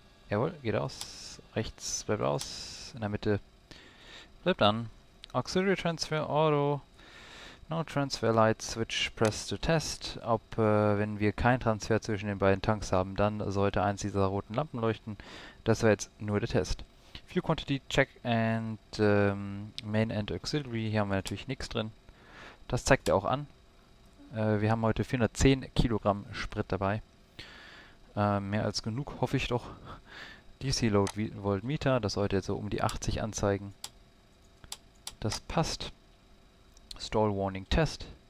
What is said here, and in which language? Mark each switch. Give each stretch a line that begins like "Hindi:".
German: Jawohl, geht aus. Rechts bleibt aus. In der Mitte bleibt an.
English: Auxiliary Transfer, Auto. No Transfer Light Switch, Press to Test.
German: Ob, wenn wir keinen Transfer zwischen den beiden Tanks haben, dann sollte eins dieser roten Lampen leuchten. Das wäre jetzt nur der Test.
English: Fuel Quantity, Check and Main and Auxiliary.
German: Hier haben wir natürlich nichts drin. Das zeigt er auch an. Wir haben heute 410 Kilogramm Sprit dabei. Mehr als genug, hoffe ich doch. DC Load Voltmeter, das sollte jetzt so um die 80 anzeigen. Das passt. Stall Warning Test.